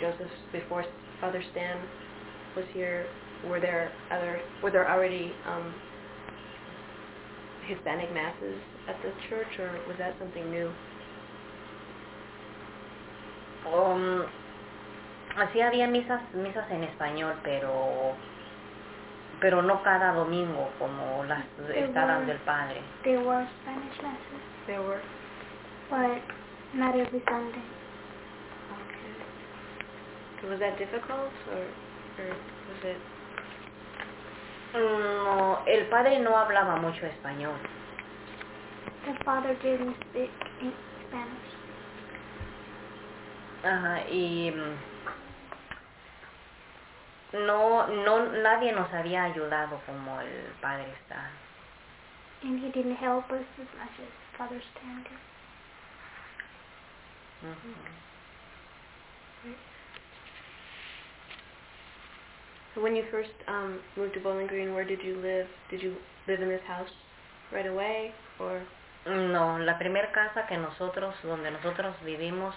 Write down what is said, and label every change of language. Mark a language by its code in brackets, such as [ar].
[en] Joseph's before Father Stan was here? Were there already Hispanic masses at the church, or was that something new? [es] Así había misas en español, pero no cada domingo, como las está dando el padre. [en] There were Spanish masses. There were. But not every Sunday. Okay. Was that difficult, or was it? [es] No, el padre no hablaba mucho español. [en] The father didn't speak in Spanish. [es] No, nadie nos había ayudado como el padre Stan. [en] And he didn't help us as much as Father Stan did. Mm-hmm. So when you first moved to Bowling Green, where did you live? Did you live in this house right away, or? [es] No, la primera casa que nosotros, donde nosotros vivimos.